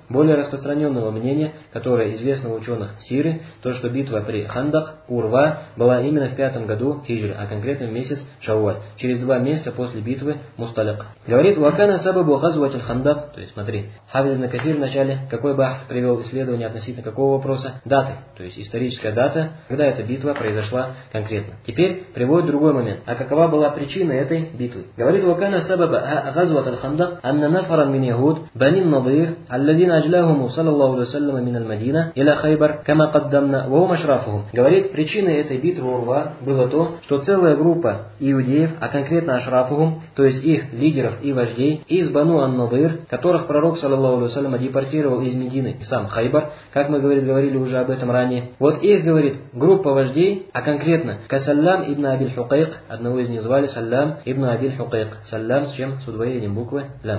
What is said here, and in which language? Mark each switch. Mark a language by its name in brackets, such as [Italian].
[Russian] Более распространенного мнения, которое известно ученых Сиры, то, что битва при Хандак, Урва, была именно в 5 году хиджры, а конкретно в месяц Шауаль, через 2 месяца после битвы Мусталяк. Говорит, [Arabic] «Вакана сабабу газуатиль Хандак», [Russian] то есть смотри, Хафиз ибн Касир в начале, какой бахс привел исследование относительно какого вопроса? Даты, то есть историческая дата, когда эта битва произошла конкретно. Теперь приводит другой момент. А какова была причина этой битвы? Говорит, [Arabic] «Вакана سبب غزوة الخندق أن نفرا من يهود بني النضير الذين أجلاهم صلى الله عليه وسلم من المدينة إلى خيبر كما قدمنا وهم أشرافهم. [Russian] Говорит, причиной этой битвы Урва было то, что целая группа иудеев, а конкретно Ашрафухум, то есть их лидеров и вождей из Бану ан-Надир, которых пророк саллаллаху алейхи ва саллям депортировал из Медины и сам Хайбар, как мы говорили уже об этом ранее. Вот их, говорит, группа вождей, а конкретно Касаллам ибн Абиль Хукайк, одного из них звали Саллам ибн Абиль Хукайк, Лям с чем? С удвоением буквы лям.